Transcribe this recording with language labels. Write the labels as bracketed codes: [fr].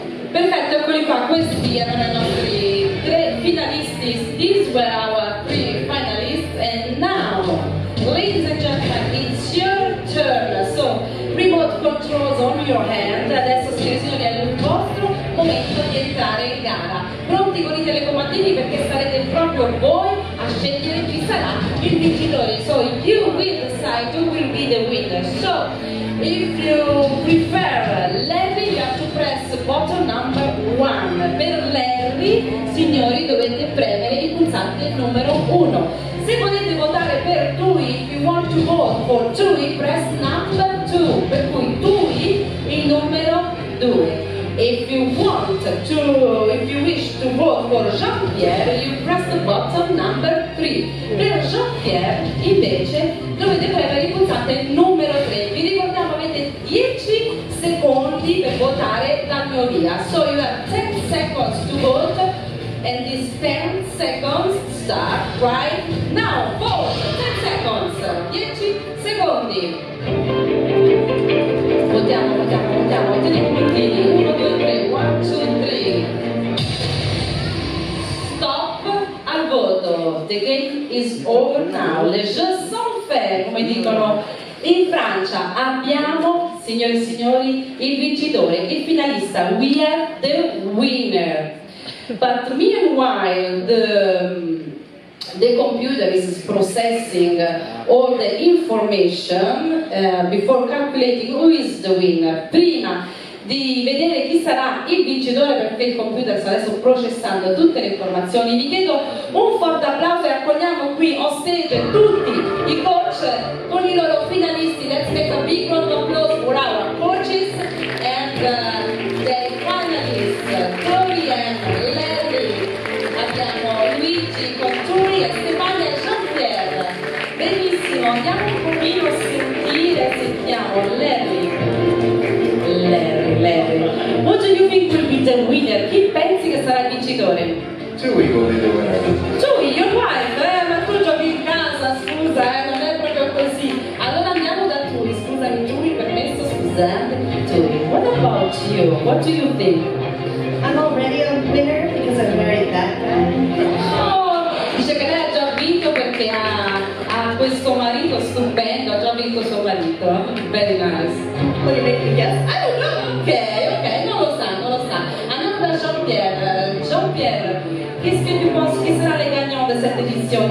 [it] Perfetto, eccoli qua, questi erano i nostri tre finalisti. [en] These were our three finalists. And now, ladies and gentlemen, it's your turn. So, remote controls on your hand. [it] Adesso, signori, è il vostro momento di entrare in gara. Pronti con i telecomandini, perché sarete proprio voi a scegliere chi sarà il vincitore. [en] So, you will decide who will be the winner. So, if you prefer Larry, you have to press button number 1. [it] Per Larry, signori, dovete premere il pulsante numero 1. Se volete votare per Tui, [en] if you want to vote for Tui, press number 2. [it] Per cui Tui, il numero 2. [en] If you wish to vote for Jean-Pierre, you press the button number 3. [it] Per Jean-Pierre, invece, dovete premere il pulsante numero 3. Vi ricordiamo, avete 10 secondi per votare la mia via. [en] So you have 10 seconds to vote, and these 10 seconds start right now. Vote! 10 seconds! [it] 10 secondi! Votiamo, votiamo, votiamo, mettete i puntini. 1, 2, 3, 1, 2, 3. Stop al voto. [en] The game is over now. [fr] Le jeux sont faits, [it] come dicono in Francia. Abbiamo, signori e signori, il vincitore, il finalista. [en] We are the winner. But meanwhile, the computer is processing all the information before calculating who is the winner. [it] Prima di vedere chi sarà il vincitore, perché il computer sta adesso processando tutte le informazioni, vi chiedo un forte applauso e accogliamo qui on stage tutti i coach con i loro finalisti. [en] Let's make a big round of applause for our coaches and the finalists, Tori and Larry. [it] Abbiamo Luigi con Tori e Stefania e Jean-Pierre. Benissimo, andiamo un pochino a sentire, sentiamo Larry. [en] What do you think will be the winner? [it] Chi pensi che sarà il vincitore? [en] Tui will be the winner. [it] Tui, [en] your wife, [it] ma tu giochi in casa, scusa, non è proprio così. Allora andiamo da Tui, scusami, Tui, permesso, scusate. [en] Tui, what about you? What do you think? I'm already a winner because I'm married that guy. [it] Oh, dice che lei ha già vinto perché ha questo marito stupendo, ha già vinto suo marito. [en] Very nice. What do you make the guess? I don't know. [it] Ok, non lo sa, non lo sa. Andiamo da Jean-Pierre, chi sarà [fr] le gagnant [it] di questa edizione?